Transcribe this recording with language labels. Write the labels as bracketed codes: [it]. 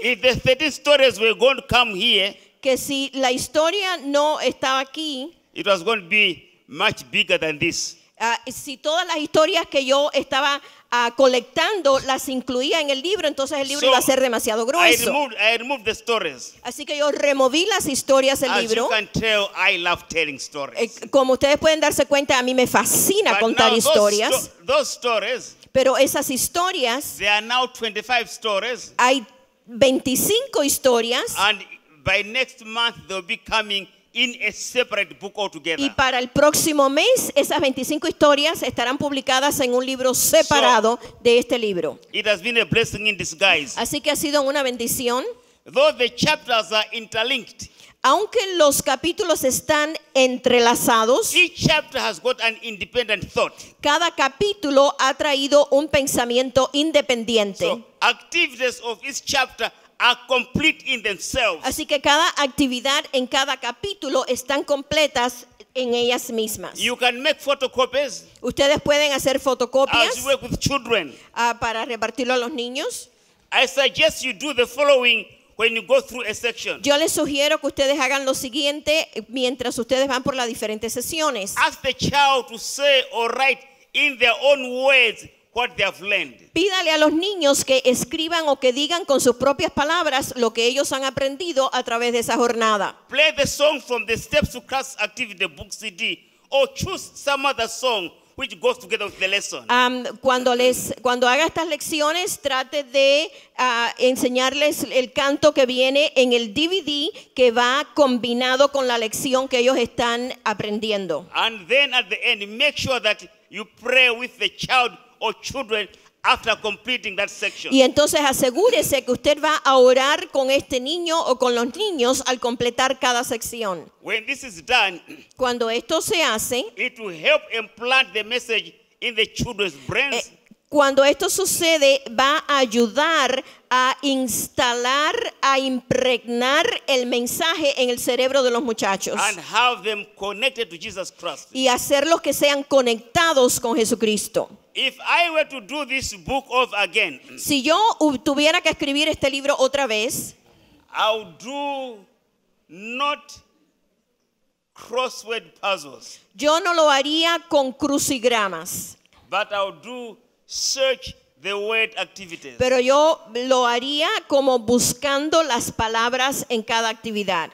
[en] if the 13 stories were going to come here, [es] que si la historia no estaba aquí, [en] it was going to be much bigger than this. [es] Si todas las historias que yo estaba colectando las incluía en el libro, entonces el libro iba a ser demasiado grueso. [en] I removed the stories. [es] Así que yo removí las historias del libro. [en] As you can tell, I love telling stories. [es] Como ustedes pueden darse cuenta, a mí me fascina contar historias. [en] Those stories, [es] pero esas historias, [en] there are now 25 stories, [es] hay 25 historias. [en] And by next month they'll be coming in a separate book altogether. [es] Y para el próximo mes esas 25 historias estarán publicadas en un libro separado de este libro. [en] It has been a blessing in disguise. [es] Así que ha sido una bendición. [en] Though the chapters are interlinked, [es] aunque los capítulos están entrelazados, [en] each chapter has got an independent thought. [es] Cada capítulo ha traído un pensamiento independiente. [en] So, activities of each chapter are complete in themselves. [es] Así que cada actividad en cada capítulo están completas en ellas mismas. [en] You can make photocopies. [es] Ustedes pueden hacer fotocopias. [en] As you work with children. [es] Para repartirlo a los niños. [en] I suggest you do the following when you go through a section. [es] Yo les sugiero que ustedes hagan lo siguiente mientras ustedes van por las diferentes sesiones. [en] Ask the child to say or write in their own words what they have learned. [es] Pídale a los niños que escriban o que digan con sus propias palabras lo que ellos han aprendido a través de esa jornada. [en] Play the song from the Steps to Class Activity Book CD or choose some other song which goes together with the lesson. [es] Cuando haga estas lecciones, trate de enseñarles el canto que viene en el DVD que va combinado con la lección que ellos están aprendiendo. [en] And then at the end, make sure that you pray with the child or children after completing that section. [es] Y entonces asegúrese que usted va a orar con este niño o con los niños al completar cada sección. [en] When this is done, [es] cuando esto se hace, [en] it will help implant the message in the children's brains. [es] Cuando esto sucede, va a ayudar a instalar, a impregnar el mensaje en el cerebro de los muchachos. [en] And have them connected to Jesus Christ. [es] Y hacerlos que sean conectados con Jesucristo. [en] If I were to do this book off again, [es] si yo tuviera que escribir este libro otra vez, [en] I would do not crossword puzzles. [es] Yo no lo haría con crucigramas. [en] But I would do search the word activities. [es] Pero yo lo haría como buscando las palabras en cada actividad.